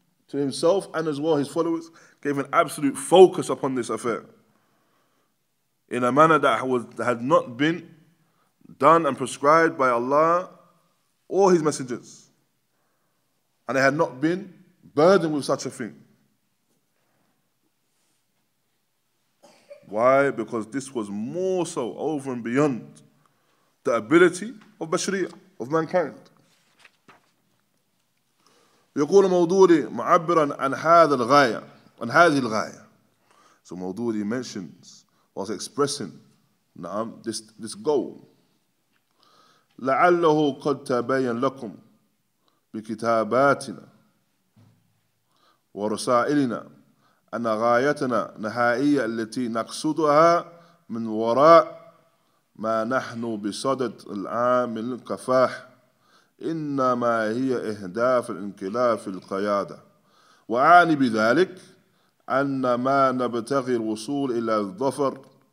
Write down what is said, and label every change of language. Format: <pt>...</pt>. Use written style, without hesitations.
<en>to himself and as well his followers, gave an absolute focus upon this affair in a manner that had not been done and prescribed by Allah or his messengers. And they had not been burdened with such a thing. Why? Because this was more so over and beyond the ability of Bashriya, of mankind.</en> <ar>يقول موضوري معبرا عن هذا الغاية عن هذه الغاية.</ar> <en>So موضوري mentions, was expressing this goal.</en> <ar>لعله قد تبين لكم بكتاباتنا ورسائلنا أن غايتنا نهائية التي نقصدها من وراء ما نحن بصدد الآن من الكفاح إنما هي إهداف الانقلاب في القيادة وأعني بذلك أن ما نبتغي الوصول إلى الظفر</ar>